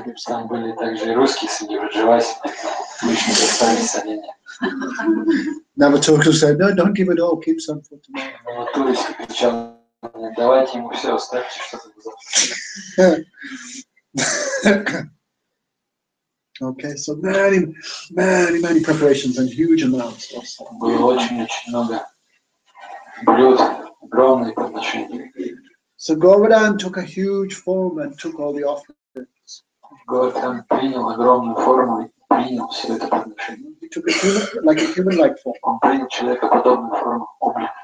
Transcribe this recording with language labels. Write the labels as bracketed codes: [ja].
[ru] там были также русские среди бриджевасов. Лично достали соленья. [en] Navatulu said, no, don't give it all, keep some for tomorrow. [ru] Navatulu кричал, давайте ему все, оставьте что-то. [en] Okay, so many, many, many preparations and huge amounts. Also. [ru] Было очень-очень много блюд, огромные подношения. [en] So Govardhan took a huge form and took all the offerings. [ru] Govardhan принял огромную форму и принял все это подношение. [en] He took a human-like form. [ru] Он принял человекоподобную форму, облик.